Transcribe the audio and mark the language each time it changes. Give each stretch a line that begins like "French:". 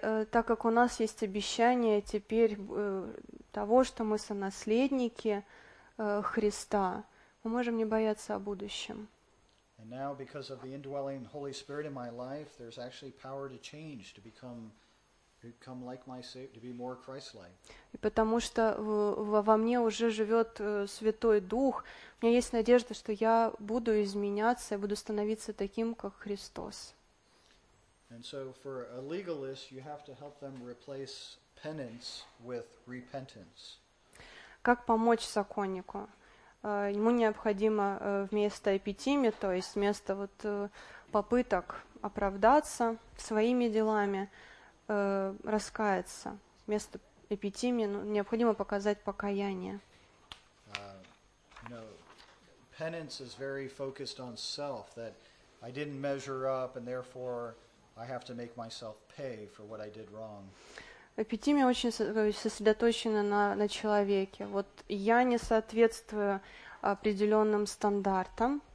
Russian: так как у нас есть обещание теперь того, что мы сонаследники Христа, мы можем не бояться о будущем.
English: And now, because of the indwelling Holy Spirit in my life, there's actually power to change, to become come like my Savior, to be more Christ-like.
Russian: И потому что во мне уже живет Святой Дух, у меня есть надежда, что я буду изменяться, буду становиться таким, как Христос.
English: And so for a legalist, you have to help them replace penance with repentance.
Russian: Как помочь законнику? Ему необходимо вместо эпитиме, то есть вместо вот попыток оправдаться своими делами, раскаяться. Вместо эпитимии необходимо показать покаяние.
English: Penance is very focused on self, that I didn't measure up, and therefore I have to make myself pay for what I did wrong.
Russian: Эпитимия очень сосредоточена на человеке. Вот я не соответствую определенным стандартам.